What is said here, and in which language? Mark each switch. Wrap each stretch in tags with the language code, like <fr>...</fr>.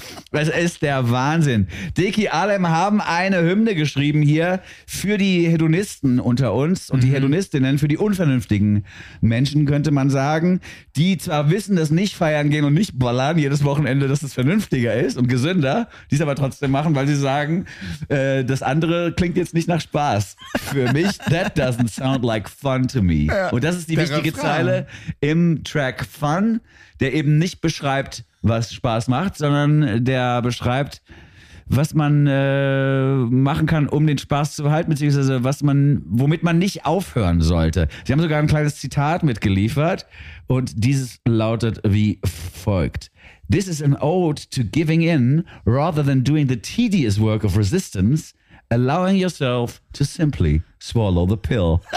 <de>Das ist der Wahnsinn. Dicky Alem haben eine Hymne geschrieben hier für die Hedonisten unter uns und die Hedonistinnen, für die unvernünftigen Menschen, könnte man sagen, die zwar wissen, dass nicht feiern gehen und nicht ballern jedes Wochenende, dass es vernünftiger ist und gesünder, die es aber trotzdem machen, weil sie sagen, das andere klingt jetzt nicht nach Spaß. Für mich,</de> <en>that doesn't sound like fun to me.</en> <de>Ja, und das ist die wichtige Zeile im Track Fun, der eben nicht beschreibt, was Spaß macht, sondern der beschreibt, was man machen kann, um den Spaß zu behalten, beziehungsweise was man, womit man nicht aufhören sollte. Sie haben sogar ein kleines Zitat mitgeliefert und dieses lautet wie folgt.</de> <en>This is an ode to giving in rather than doing the tedious work of resistance allowing yourself to simply swallow the pill.</en>